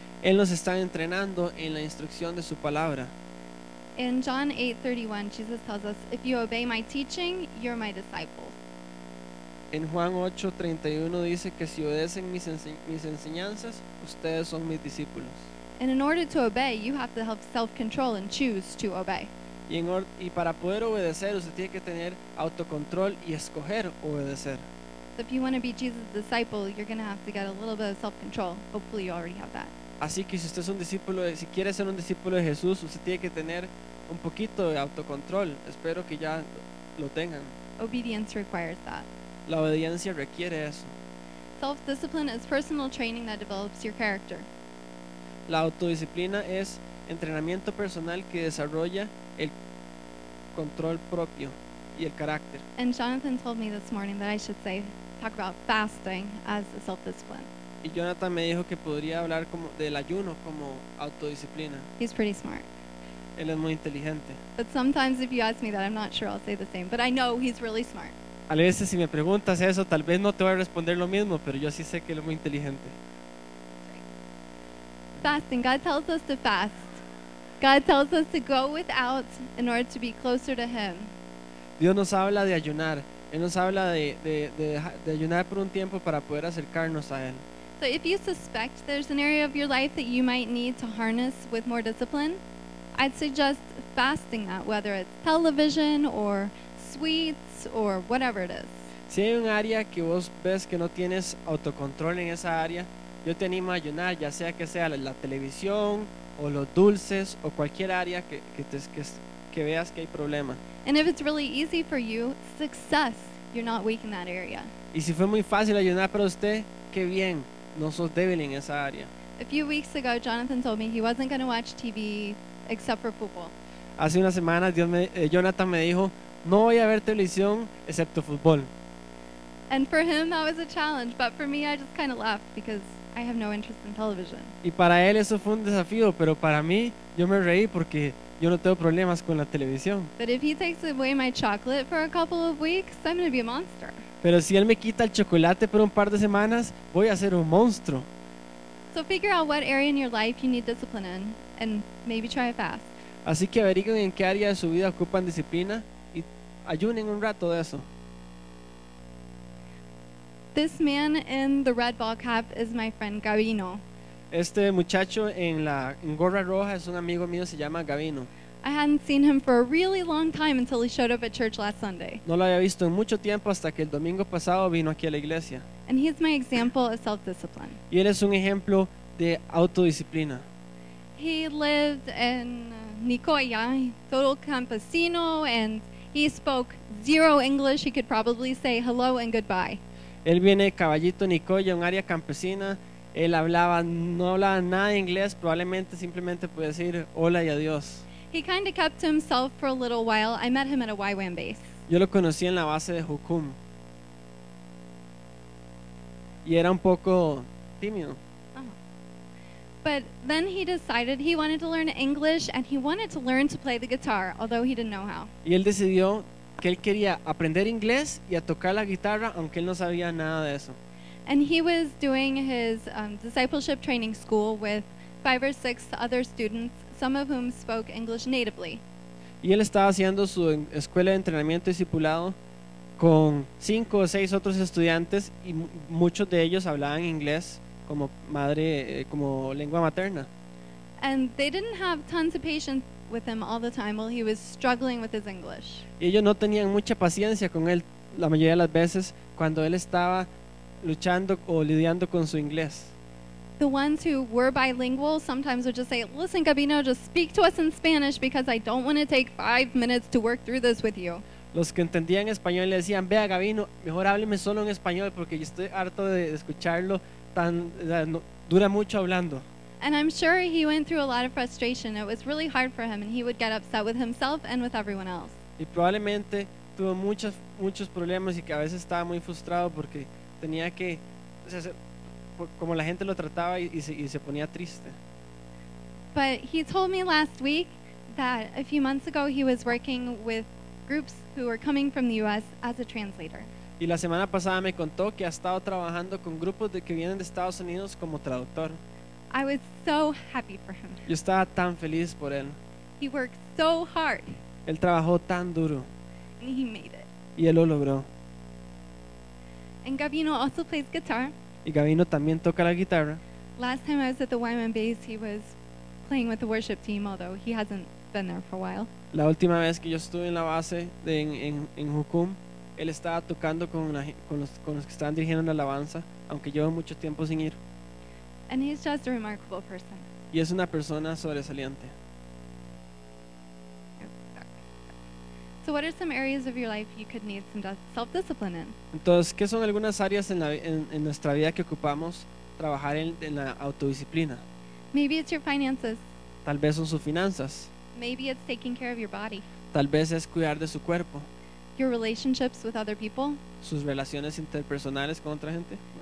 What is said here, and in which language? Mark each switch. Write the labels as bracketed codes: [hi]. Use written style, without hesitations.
[es] Él nos está entrenando en la instrucción de su palabra. [en] In John 8:31, Jesus tells us, "If you obey my teaching, you're my disciples." [es] En Juan 8:31 dice que si obedecen mis enseñanzas, ustedes son mis discípulos. [en] And in order to obey, you have to have self-control and choose to obey. [es] Y para poder obedecer, usted tiene que tener autocontrol y escoger obedecer. [en] So if you want to be Jesus' disciple, you're going to have to get a little bit of self-control. Hopefully, you already have that. [es] Así que si usted es un discípulo, si quiere ser un discípulo de Jesús, usted tiene que tener un poquito de autocontrol. Espero que ya lo tengan. [en] Obedience requires that. [es] La obediencia requiere eso. [en] Self-discipline is personal training that develops your character. [es] La autodisciplina es entrenamiento personal que desarrolla el control propio y el carácter. [en] And Jonathan told me this morning that I should say talk about fasting as a self-discipline. [es] Y Jonathan me dijo que podría hablar como del ayuno como autodisciplina. [en] He's pretty smart. [es] Él es muy inteligente. [en] But sometimes if you ask me that, I'm not sure I'll say the same. But I know he's really smart. [es] A veces si me preguntas eso, tal vez no te voy a responder lo mismo, pero yo sí sé que él es muy inteligente. [en] Fasting. God tells us to fast. God tells us to go without in order to be closer to him. [es] Dios nos habla de ayunar. Él nos habla de ayunar por un tiempo para poder acercarnos a él. [en] So if you suspect there's an area of your life that you might need to harness with more discipline, I'd suggest fasting that, whether it's television or sweets or whatever it is. [es] Si hay un área que vos ves que no tienes autocontrol en esa área, yo te animo a ayunar, ya sea que sea la televisión o los dulces o cualquier área que veas que hay problema. [en] And if it's really easy for you, success, you're not weak in that area. [es] Y si fue muy fácil ayunar para usted, qué bien, no sos débil en esa área. [en] A few weeks ago, Jonathan told me he wasn't going to watch TV except for football. [es] Hace unas semanas, Jonathan me dijo, no voy a ver televisión excepto fútbol. [en] And for him, that was a challenge, but for me, I just kind of laughed because I have no interest in television. [es] Y para él eso fue un desafío, pero para mí, yo me reí porque yo no tengo problemas con la televisión. [en] But if he takes away my chocolate for a couple of weeks, I'm going to be a monster. [es] Pero si él me quita el chocolate por un par de semanas, voy a ser un monstruo. [en] So figure out what area in your life you need discipline in, and maybe try it fast. [es] Así que averigüen en qué área de su vida ocupan disciplina y ayunen un rato de eso. [en] This man in the red ball cap is my friend Gavino. [es] Este muchacho en gorra roja es un amigo mío, se llama Gavino. [en] I hadn't seen him for a really long time until he showed up at church last Sunday. [es] No lo había visto en mucho tiempo hasta que el domingo pasado vino aquí a la iglesia. [en] And he's my example of self-discipline. [es] Y él es un ejemplo de autodisciplina. [en] He lived in Nicoya, total campesino, and he spoke zero English. He could probably say hello and goodbye. [es] Él viene de Caballito, Nicoya, un área campesina. Él no hablaba nada de inglés, probablemente simplemente puede decir hola y adiós. [en] He kind of kept to himself for a little while. I met him at a YWAM base. [es] Yo lo conocí en la base de Hukum. Y era un poco tímido. [en] But then he decided he wanted to learn English and he wanted to learn to play the guitar, although he didn't know how. [es] Y él decidió que él quería aprender inglés y a tocar la guitarra, aunque él no sabía nada de eso. [en] And he was doing his discipleship training school with 5 or 6 other students, some of whom spoke English natively. [es] Y él estaba haciendo su escuela de entrenamiento discipulado con 5 o 6 otros estudiantes y muchos de ellos hablaban inglés como madre, como lengua materna. [en] And they didn't have tons of patience with him all the time while he was struggling with his English. [es] Y ellos no tenían mucha paciencia con él la mayoría de las veces cuando él estaba luchando o lidiando con su inglés. [en] The ones who were bilingual sometimes would just say, listen, Gabino, just speak to us in Spanish because I don't want to take 5 minutes to work through this with you. [es] Los que entendían español le decían, vea, Gabino, mejor hábleme solo en español porque yo estoy harto de escucharlo tan, no, dura mucho hablando. [en] And I'm sure he went through a lot of frustration. It was really hard for him and he would get upset with himself and with everyone else. [es] Y probablemente tuvo muchos problemas y que a veces estaba muy frustrado porque tenía que... como la gente lo trataba y se ponía triste. [en] But he told me last week that a few months ago he was working with groups who were coming from the U.S. as a translator. [es] Y la semana pasada me contó que ha estado trabajando con grupos que vienen de Estados Unidos como traductor. [en] I was so happy for him. [es] Yo estaba tan feliz por él. [en] He worked so hard. [es] Él trabajó tan duro. [en] And he made it. [es] Y él lo logró. [en] And Gabino also plays guitar. [es] Y Gavino también toca la guitarra. [en] Last time I was at the YWAM base, he was playing with the worship team, although he hasn't been there for a while. [es] La última vez que yo estuve en la base en Hukum, él estaba tocando con los que estaban dirigiendo la alabanza, aunque llevo mucho tiempo sin ir. [en] And he's just a remarkable person. [es] Y es una persona sobresaliente. [en] So what are some areas of your life you could need some self-discipline in? [es] Entonces, ¿qué son algunas áreas en nuestra vida que ocupamos trabajar en la autodisciplina? [en] Maybe it's your finances. [es] Tal vez son sus finanzas. [en] Maybe it's taking care of your body. [es] Tal vez es cuidar de su cuerpo. [en] Your relationships with other people. [es] Sus relaciones interpersonales con otra gente.